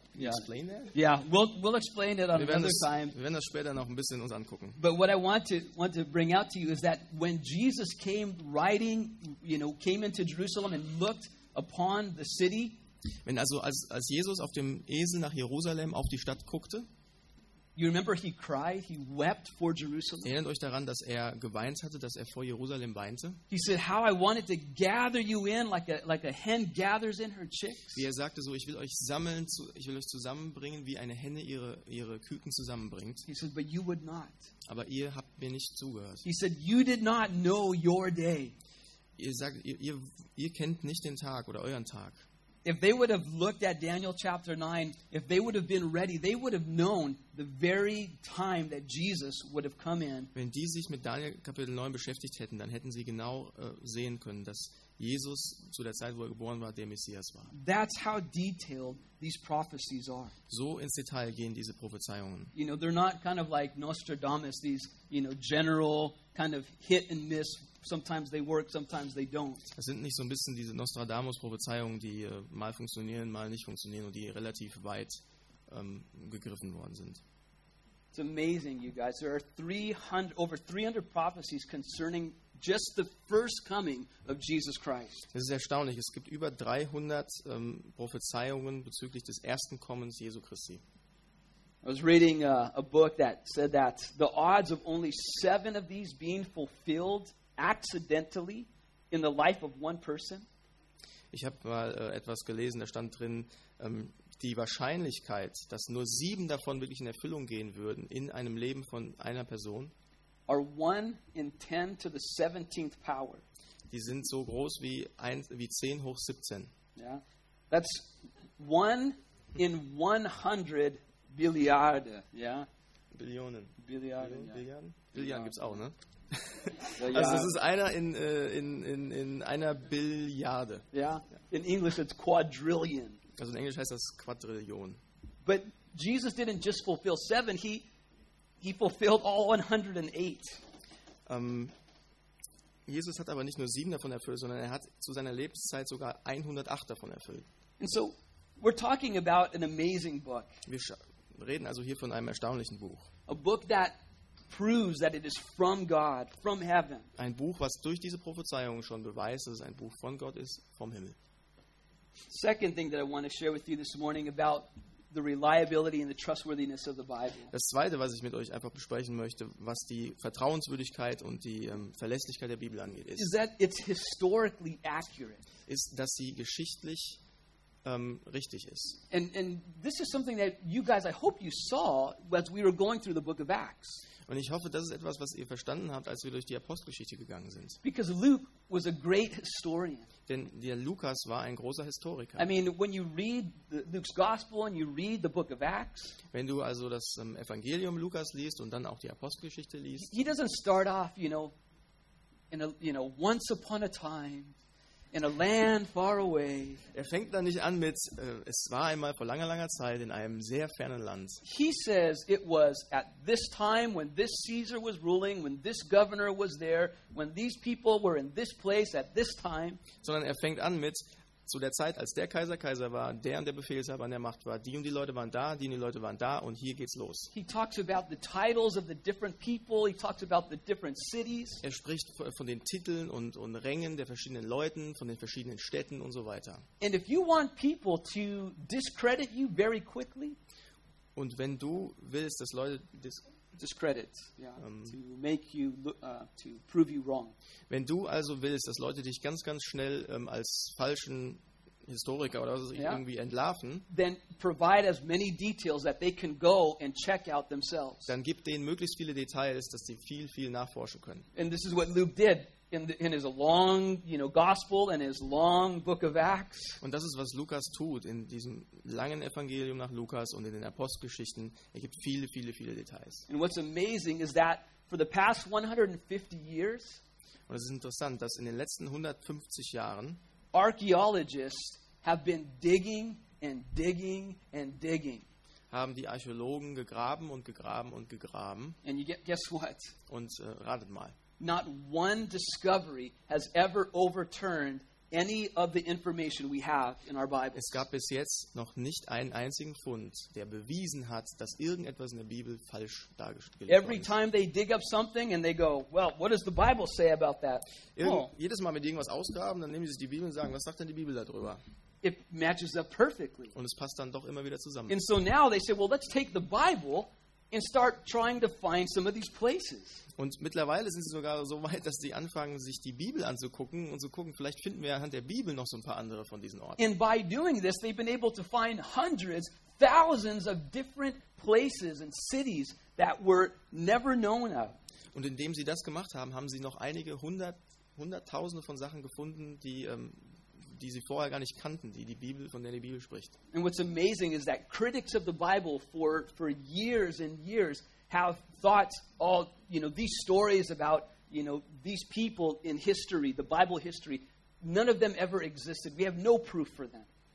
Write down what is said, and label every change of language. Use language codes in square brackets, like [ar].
[en] Yeah, we'll explain it on another time. [de] Wir werden das später noch ein bisschen uns angucken. [en] But what I want to bring out to you is that when Jesus came riding, you know, came into Jerusalem and looked upon the city. [de] Wenn also als Jesus auf dem Esel nach Jerusalem auf die Stadt guckte. [en] You remember he cried, he wept for Jerusalem. [de] Erinnert euch daran, dass er geweint hatte, dass er vor Jerusalem weinte. [en] He said, "How I wanted to gather you in, like a hen gathers in her chicks." [de] Wie er sagte, so ich will euch sammeln, ich will euch zusammenbringen, wie eine Henne ihre Küken zusammenbringt. [en] He said, "But you would not." [de] Aber ihr habt mir nicht zugehört. [en] He said, "You did not know your day." [de] Ihr sagt, ihr kennt nicht den Tag oder euren Tag. [en] If they would have looked at Daniel chapter 9, if they would have been ready, they would have known the very time that Jesus would have come in. [de] Wenn die sich mit Daniel Kapitel 9 beschäftigt hätten, dann hätten sie genau sehen können, dass Jesus zu der Zeit, wo er geboren war, der Messias war. [en] That's how detailed these prophecies are. [de] So ins Detail gehen diese Prophezeiungen. [en] You know, they're not kind of like Nostradamus, these, you know, general kind of hit and miss. Sometimes they work, sometimes they don't. [de] Es sind nicht so ein bisschen diese Nostradamus-Prophezeiungen, die mal funktionieren, mal nicht funktionieren und die relativ weit gegriffen worden sind. [en] It's amazing, you guys. There are over 300 prophecies concerning just the first coming of Jesus Christ. [de] Es ist erstaunlich. Es gibt über 300 Prophezeiungen bezüglich des ersten Kommens Jesu Christi. [en] I was reading a book that said that the odds of only 7 of these being fulfilled accidentally in the life of one person. [de] Ich habe mal etwas gelesen, da stand drin, die Wahrscheinlichkeit, dass nur 7 davon wirklich in Erfüllung gehen würden in einem Leben von einer Person, [en] are 1 in 10 to the 17th power. [de] Die sind so groß wie 10 hoch 17. [en] Yeah. That's 1 in 100 Billiarde, yeah. [de] Billionen. Billiarde, Billionen. [en] Yeah. [de] Billionen gibt's auch, ne? Also es ist einer in einer Billiarde. [en] Yeah. In English it's quadrillion. [de] Also in Englisch heißt das Quadrillion. [en] But Jesus didn't just fulfill 7, he fulfilled all 108. [de] Jesus hat aber nicht nur 7 davon erfüllt, sondern er hat zu seiner Lebenszeit sogar 108 davon erfüllt. [en] And so we're talking about an amazing book. [de] Wir reden also hier von einem erstaunlichen Buch. [en] A book that proves that it is from God, from heaven. [de] Ein Buch, was durch diese Prophezeiung schon beweist, dass es ein Buch von Gott ist, vom Himmel. [en] Second thing that I want to share with you this morning about the reliability and the trustworthiness of the Bible. [de] Das zweite, was ich mit euch einfach besprechen möchte, was die Vertrauenswürdigkeit und die Verlässlichkeit der Bibel angeht, ist, [en] is that it's historically accurate. [de] Ist, dass sie geschichtlich richtig ist. [en] And this is something that you guys, I hope you saw as we were going through the book of Acts. [de] Und ich hoffe, das ist etwas, was ihr verstanden habt, als wir durch die Apostelgeschichte gegangen sind. [en] Because Luke was a great historian. [de] Denn der Lukas war ein großer Historiker. [en] I mean, when you read Luke's Gospel and you read the book of Acts, [de] wenn du also das Evangelium Lukas liest und dann auch die Apostelgeschichte liest, [en] he doesn't start off, you know, in a, you know, once upon a time in a land far away. [de] Er fängt dann nicht an mit es war einmal vor langer, langer Zeit in einem sehr fernen Land. [en] He says it was at this time when this Caesar was ruling, when this governor was there, when these people were in this place at this time. [de] Sondern er fängt an mit zu der Zeit, als der Kaiser Kaiser war, der und der Befehlshaber an der Macht war, die und die Leute waren da, die und die Leute waren da, und hier geht's los. [en] He talks about the titles of the different people. He talks about the different cities. [de] Er spricht von den Titeln und Rängen der verschiedenen Leuten, von den verschiedenen Städten und so weiter. [en] And if you want people to discredit you very quickly, [de] und wenn du willst, dass Leute [en] discredit, yeah, to make you look, to prove you wrong. [de] Wenn du also willst, dass Leute dich ganz, ganz schnell als falschen Historiker oder so irgendwie entlarven, [en] then provide as many details that they can go and check out themselves. [de] Dann gib denen möglichst viele Details, dass sie viel, viel nachforschen können. [en] And this is what Luke did in his long, you know, gospel and his long book of Acts. [de] Und das ist, was Lukas tut in diesem langen Evangelium nach Lukas und in den Apostelgeschichten. Er gibt viele, viele, viele Details. [en] And what's amazing is that for the past 150 years, [de] und es ist interessant, dass in den letzten 150 Jahren [en] archaeologists have been digging and digging and digging. [de] Haben die Archäologen gegraben und gegraben und gegraben. [en] And you guess what? [de] Und ratet mal. [en] Not one discovery has ever overturned any of the information we have in our Bible. [de] Es gab bis jetzt noch nicht einen einzigen Fund, der bewiesen hat, dass irgendetwas in der Bibel falsch dargestellt wurde. [en] Every time they dig up something and they go, well, what does the Bible say about that? [de] Jedes Mal, wenn die irgendwas ausgraben, dann nehmen sie sich die Bibel und sagen, was sagt denn die Bibel darüber? [en] It matches up perfectly. [de] Und es passt dann doch immer wieder zusammen. [en] And so now they say, well, let's take the Bible and start trying to find some of these places. [de] Und mittlerweile sind sie sogar so weit, dass sie anfangen, sich die Bibel anzugucken und zu gucken, vielleicht finden wir anhand der Bibel noch so ein paar andere von diesen Orten. [en] And by doing this, they've been able to find hundreds, thousands of different places and cities that were never known of. [de] Und indem sie das gemacht haben, haben sie noch einige hunderttausende von Sachen gefunden, die sie vorher gar nicht kannten, die Bibel, von der die Bibel spricht. [en] And what's amazing is that critics of the Bible for years and years have thought, oh, you know, these stories about, you know, these people in history, the Bible history, none of them ever existed. We have no proof for them.